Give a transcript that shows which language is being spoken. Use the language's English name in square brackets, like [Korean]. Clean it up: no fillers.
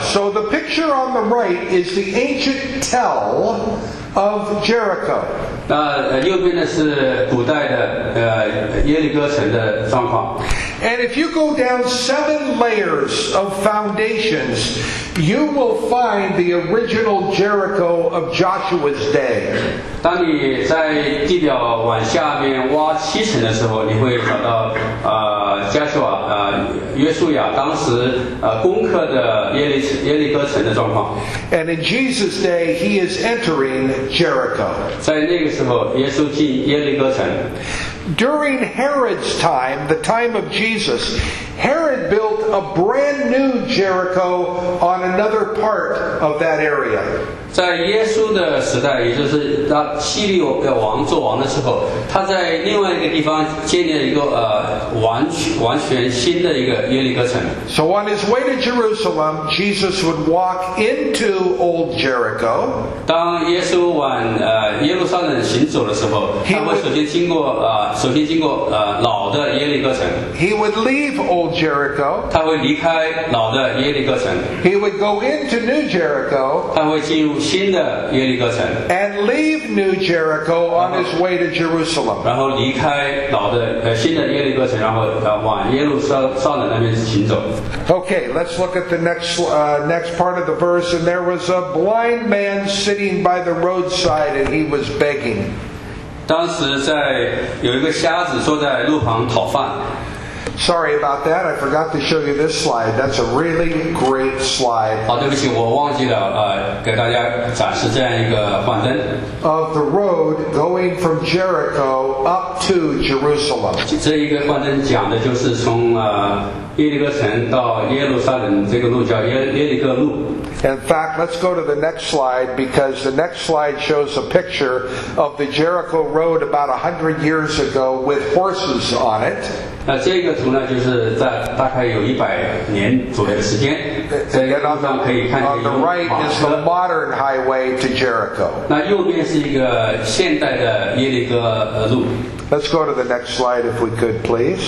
[English] So the picture on the right is the ancient tell. Of Jericho. [Chinese] 那右边的是古代的耶利哥城的状况。 [English] And if you go down 7 layers of foundations, you will find the original Jericho of Joshua's day. [Chinese] 当你在地表往下面挖七层的时候，你会找到加西瓦约书亚当时攻克的耶利哥城的状况。 [English] And in Jesus' day, he is entering Jericho. [Chinese] 在那个时候，耶稣进耶利哥城。 [English] During Herod's time, the time of Jesus, Herod built a brand new Jericho on another part of that area. [Chinese] 在耶稣的时代，也就是那西律王做王的时候，他在另外一个地方建立了一个完全新的一个耶利哥城。 [English] So on his way to Jerusalem, Jesus would walk into old Jericho. [Chinese] 当耶稣往耶路撒冷行走的时候，他会首先经过老的耶利哥城。 [English] He would leave old Jericho. [Chinese] 他会离开老的耶利哥城。 [English] He would go into new Jericho. [Chinese] 他会进入新的耶利哥城。 [English] And leave new Jericho on his way to Jerusalem. [Chinese] 然后离开老的新的耶利哥城，然后往耶路撒冷那边行走。 [English] Okay, let's look at the next part of the verse. And there was a blind man sitting by the roadside, and he was begging. [Chinese] 当时在有一个瞎子坐在路旁讨饭。 [English] Sorry about that. I forgot to show you this slide. That's a really great slide. [Chinese] 好，对不起，我忘记了，给大家展示这样一个幻灯。 [English] Of the road going from Jericho up to Jerusalem. [Chinese] 这一个幻灯讲的就是从耶利哥城到耶路撒冷这个路叫耶利哥路。 [English] In fact, let's go to the next slide because the next slide shows a picture of the Jericho Road about 100 years ago with horses on it. [Chinese] 那这个图呢，就是在大概有100年左右的时间，在路上可以看见。 [English] On the right is the modern highway to Jericho. [Chinese] 那右边是一个现代的耶利哥路。 [English] Let's go to the next slide if we could please.